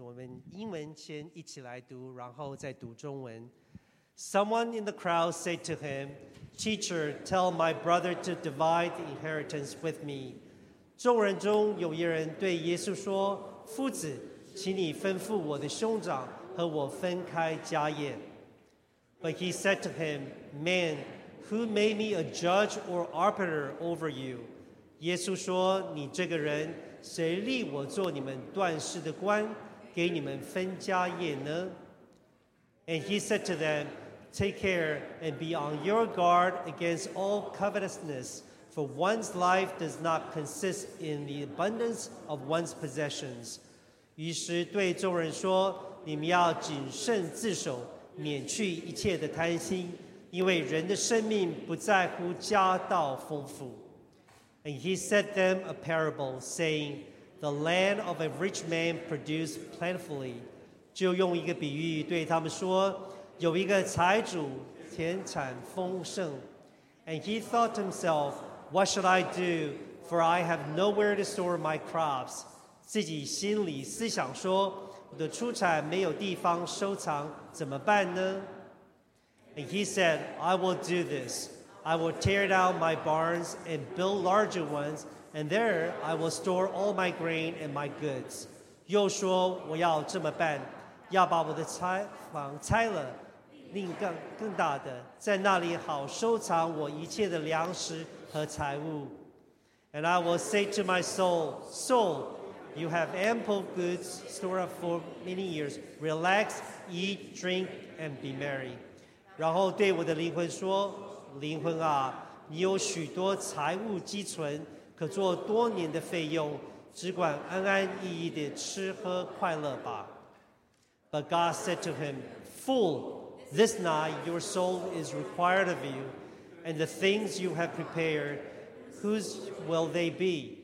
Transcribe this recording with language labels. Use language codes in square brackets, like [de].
[zh] 我们英文先一起来读，然后再读中文。 [en] Someone in the crowd said to him, Teacher, tell my brother to divide the inheritance with me. [zh] 众人中有一人对耶稣说，夫子，请你吩咐我的兄长和我分开家业。 [en] But he said to him, Man, who made me a judge or arbiter over you? [zh] 耶稣说，你这个人，谁立我做你们断事的官，给你们分家业呢？ [en] And he said to them, Take care and be on your guard against all covetousness, for one's life does not consist in the abundance of one's possessions. [zh] 于是对众人说，你们要谨慎自守，免去一切的贪心，因为人的生命不在乎家道丰富。 [en] And he said them a parable, saying, The land of a rich man produced plentifully. [zh] 就用一个比喻对他们说，有一个财主田产丰盛。 [en] And he thought to himself, What should I do? For I have nowhere to store my crops. [zh] 自己心里思想说，我的出产没有地方收藏，怎么办呢？ [en] And he said, I will do this. I will tear down my barns and build larger ones, and there I will store all my grain and my goods. [zh] 又说，我要这么办。要把我的柴房拆了，另盖更大的，在那里好收藏我一切的粮食和财物。 [en] And I will say to my soul, Soul, you have ample goods stored up for many years. Relax, eat, drink, and be merry. [zh] 然后对我的灵魂说，灵魂啊，你有许多财物积存，可做多年的费用，只管安安逸逸地吃喝快乐吧。 [en] But God said to him, Fool, this night your soul is required of you, and the things you have prepared, whose will they be?